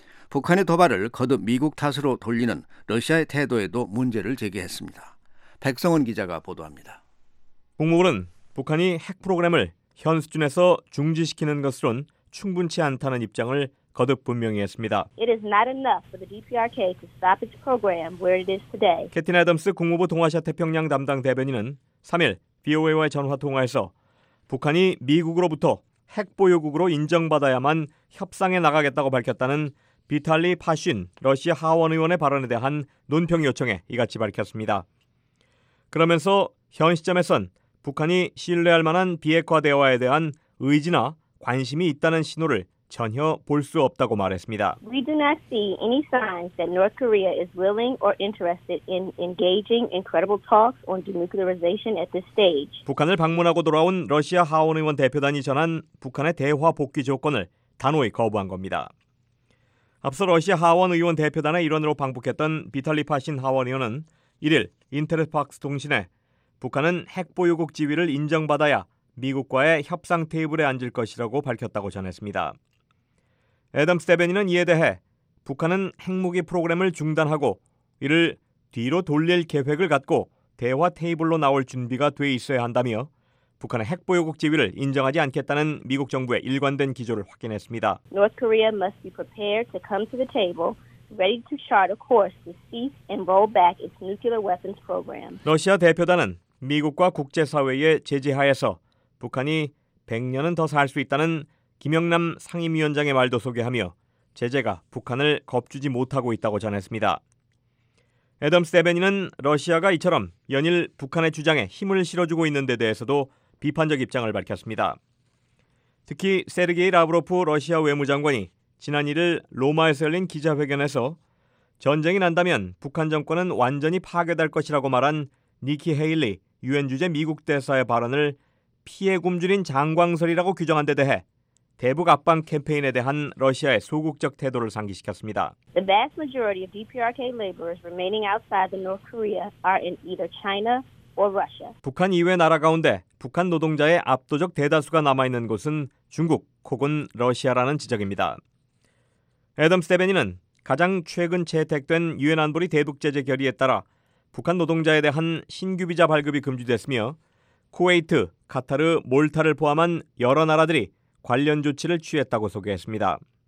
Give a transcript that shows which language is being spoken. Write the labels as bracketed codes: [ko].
[ko] 북한의 도발을 거듭 미국 탓으로 돌리는 러시아의 태도에도 문제를 제기했습니다. 백성원 기자가 보도합니다. 국무부는 북한이 핵 프로그램을 현 수준에서 중지시키는 것으론 충분치 않다는 입장을 거듭 분명히 했습니다. [en] It is not enough for the DPRK to stop its program where it is today. [ko] 캐틴 애덤스 국무부 동아시아 태평양 담당 대변인은 3일 VOA와의 전화 통화에서 북한이 미국으로부터 핵 보유국으로 인정받아야만 협상에 나가겠다고 밝혔다는 비탈리 파쉰 러시아 하원 의원의 발언에 대한 논평 요청에 이같이 밝혔습니다. 그러면서 현 시점에선 북한이 신뢰할 만한 비핵화 대화에 대한 의지나 관심이 있다는 신호를 전혀 볼 수 없다고 말했습니다. [en] We do not see any signs that North Korea is willing or interested in engaging in credible talks on denuclearization at this stage. [ko] 북한을 방문하고 돌아온 러시아 하원 의원 대표단이 전한 북한의 대화 복귀 조건을 단호히 거부한 겁니다. 앞서 러시아 하원 의원 대표단의 일원으로 방북했던 비탈리 파쉰 하원 의원은 1일 인터파크스 통신에 북한은 핵 보유국 지위를 인정받아야 미국과의 협상 테이블에 앉을 것이라고 밝혔다고 전했습니다. 애덤스 대변인은 이에 대해 북한은 핵무기 프로그램을 중단하고 이를 뒤로 돌릴 계획을 갖고 대화 테이블로 나올 준비가 돼 있어야 한다며 북한의 핵 보유국 지위를 인정하지 않겠다는 미국 정부의 일관된 기조를 확인했습니다. [en] North Korea must be prepared to come to the table. Ready to chart a course to cease and roll back its nuclear weapons program. [ko] 러시아 대표단은 미국과 국제사회의 제재하에서 북한이 100년은 더 살 수 있다는 김영남 상임위원장의 말도 소개하며 제재가 북한을 겁주지 못하고 있다고 전했습니다. 애덤스 대변인은 러시아가 이처럼 연일 북한의 주장에 힘을 실어주고 있는 데 대해서도 비판적 입장을 밝혔습니다. 특히 세르게이 라브로프 러시아 외무장관이 지난 1일 로마에서 열린 기자회견에서 전쟁이 난다면 북한 정권은 완전히 파괴될 것이라고 말한 니키 헤일리 유엔 주재 미국 대사의 발언을 피해 굶주린 장광설이라고 규정한 데 대해 대북 압박 캠페인에 대한 러시아의 소극적 태도를 상기시켰습니다. [en] The vast majority of DPRK laborers remaining outside the North Korea are in either China or Russia. [ko] 북한 이외 나라 가운데 북한 노동자의 압도적 대다수가 남아있는 곳은 중국 혹은 러시아라는 지적입니다. 애덤스 대변인은 가장 최근 채택된 유엔 안보리 대북 제재 결의에 따라 북한 노동자에 대한 신규 비자 발급이 금지됐으며 쿠웨이트, 카타르, 몰타를 포함한 여러 나라들이 관련 조치를 취했다고 소개했습니다.